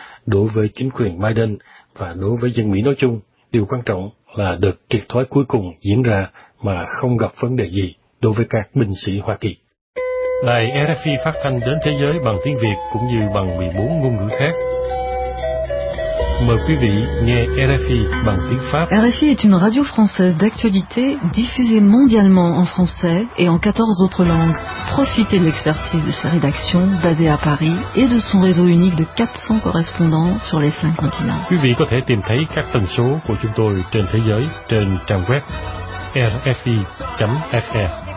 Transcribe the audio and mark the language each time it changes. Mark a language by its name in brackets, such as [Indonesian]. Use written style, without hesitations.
[Vietnamese] Đối với chính quyền Biden và đối với dân Mỹ nói chung, điều quan trọng là đợt triệt thoái cuối cùng diễn ra mà không gặp vấn đề gì đối với các binh sĩ Hoa Kỳ. Đài RFI phát thanh đến thế giới bằng tiếng Việt cũng như bằng 14 ngôn ngữ khác. Mời quý vị nghe RFI bằng tiếng Pháp. [French] RFI est une radio française d'actualité diffusée mondialement en français et en 14 autres langues. Profitez de l'expertise de sa rédaction basée à Paris et de son réseau unique de 400 correspondants sur les 5 continents. [Vietnamese] Quý vị có thể tìm thấy các tần số của chúng tôi trên thế giới trên trang web rfi.fr.